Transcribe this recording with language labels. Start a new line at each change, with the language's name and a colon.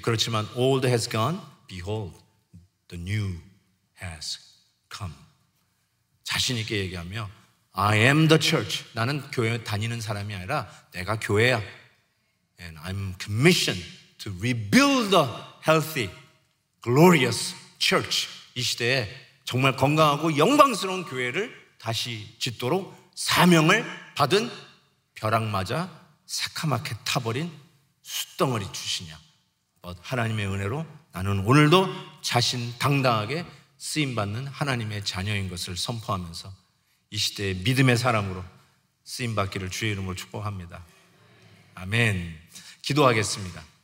Korean: 그렇지만
English: old has gone, behold, the new has gone. Come.
Korean: 자신 있게 얘기하며
English: I am the church.
Korean: 나는 교회 다니는 사람이 아니라 내가 교회야.
English: And I'm commissioned to rebuild a healthy, glorious church.
Korean: 이 시대에 정말 건강하고 영광스러운 교회를 다시 짓도록 사명을 받은 벼락 맞아 새카맣게 타버린 숫덩어리 출신이야. 하나님의 은혜로 나는 오늘도 자신 당당하게 쓰임받는 하나님의 자녀인 것을 선포하면서 이 시대의 믿음의 사람으로 쓰임받기를 주의 이름으로 축복합니다. 아멘. 기도하겠습니다.